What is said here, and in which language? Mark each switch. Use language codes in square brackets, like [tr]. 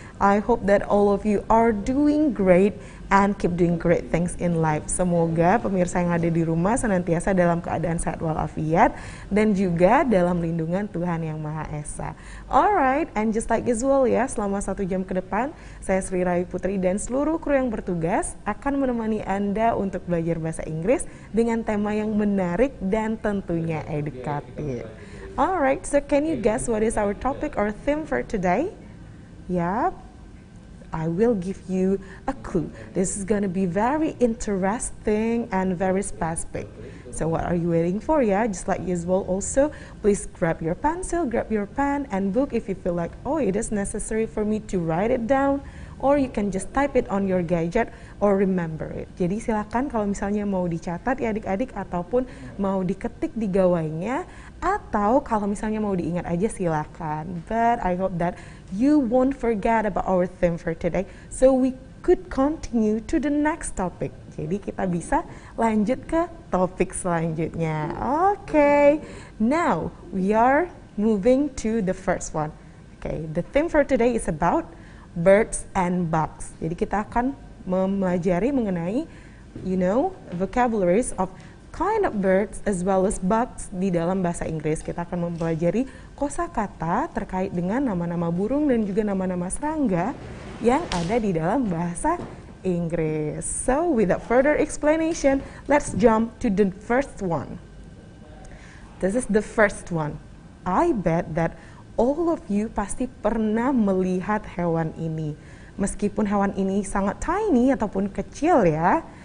[en] I hope that all of you are doing great and keep doing great things in life. [id] Semoga pemirsa yang ada di rumah senantiasa dalam keadaan sehat walafiat dan juga dalam lindungan Tuhan Yang Maha Esa. [en] Alright, and just like usual [id] ya, selama satu jam ke depan, saya Sri Rahayu Putri dan seluruh kru yang bertugas akan menemani Anda untuk belajar bahasa Inggris dengan tema yang menarik dan tentunya edukatif. [en] Alright, so can you guess what is our topic or theme for today? Yep, I will give you a clue. This is gonna be very interesting and very specific. So what are you waiting for? Yeah, just like usual also, please grab your pencil, grab your pen and book if you feel like, oh, it is necessary for me to write it down. Or you can just type it on your gadget or remember it. [id] Jadi silakan kalau misalnya mau dicatat ya adik-adik ataupun mau diketik di gawainya atau kalau misalnya mau diingat aja silakan. [en] But I hope that you won't forget about our theme for today so we could continue to the next topic. [id] Jadi kita bisa lanjut ke topik selanjutnya. [en] Okay. Now we are moving to the first one. Okay, the theme for today is about birds and bugs. [id] Jadi kita akan mempelajari mengenai, [en] you know, vocabularies of kind of birds as well as bugs [id] di dalam bahasa Inggris. Kita akan mempelajari kosakata terkait dengan nama-nama burung dan juga nama-nama serangga yang ada di dalam bahasa Inggris. [en] So, without further explanation, let's jump to the first one. This is the first one. I bet that all of you [id] pasti pernah melihat hewan ini. Meskipun hewan ini sangat tiny ataupun kecil ya.